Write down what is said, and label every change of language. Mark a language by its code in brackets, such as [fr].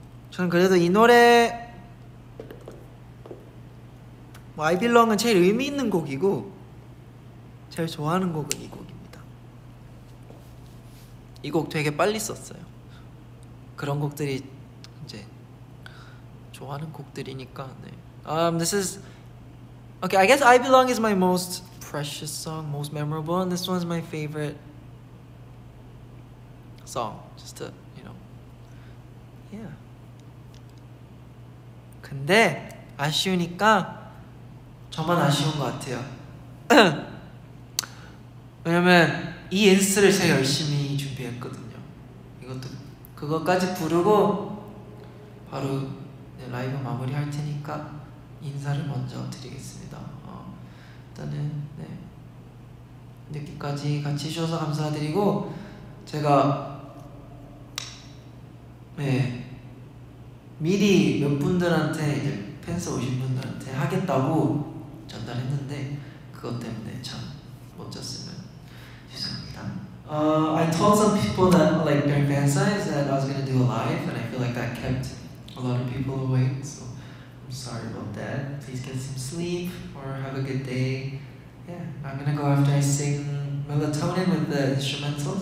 [ko] 저는 그래도 이 노래 I Belong은 제일 의미 있는 곡이고 제일 좋아하는 곡은 이 곡입니다. 이 곡 되게 빨리 썼어요. 그런 곡들이 이제 좋아하는 곡들이니까. 네. [en] This is okay. I guess I Belong is my most precious song, most memorable, and this one's my favorite song. Just to, you know, yeah. [ko] 근데 아쉬우니까 저만 아쉬운 것 같아요. 왜냐면 이 인스를 제가 열심히 준비했거든요. 이것도 그것까지 부르고 바로 라이브 마무리 할 테니까 인사를 먼저 드리겠습니다. 일단은 네, 늦게까지 같이 해주셔서 감사드리고 제가 네, 미리 몇 분들한테 이제 팬스 오신 분들한테 하겠다고 전달했는데 그것 때문에 참 못 잤으면 죄송합니다. [en] I told some people that like during fan signs that I was gonna do a live and I feel like that kept a lot of people awake, so I'm sorry about that. Please get some sleep or have a good day. Yeah, I'm gonna go after I sing Melatonin with the instrumentals.